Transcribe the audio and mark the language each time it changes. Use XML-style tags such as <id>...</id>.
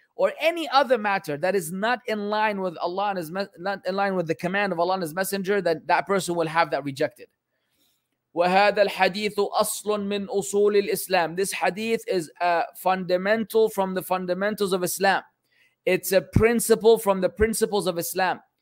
<en>Or any other matter that is not in line with Allah and His not in line with the command of Allah and His Messenger, then that person will have that rejected.</en> <ar>وهذا الحديث أصل من أصول الإسلام.</ar> <en>This hadith is a fundamental from the fundamentals of Islam. It's a principle from the principles of Islam.</en>